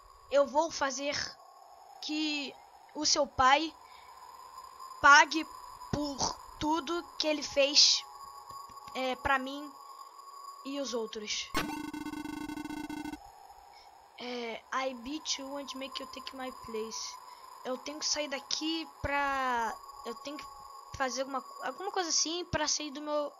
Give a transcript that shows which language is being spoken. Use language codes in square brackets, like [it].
[pt] Eu vou fazer que o seu pai pague por tudo que ele fez pra mim e os outros. [en] I beat you and make you take my place. [pt] Eu tenho que sair daqui pra... Eu tenho que fazer alguma coisa assim pra sair do meu...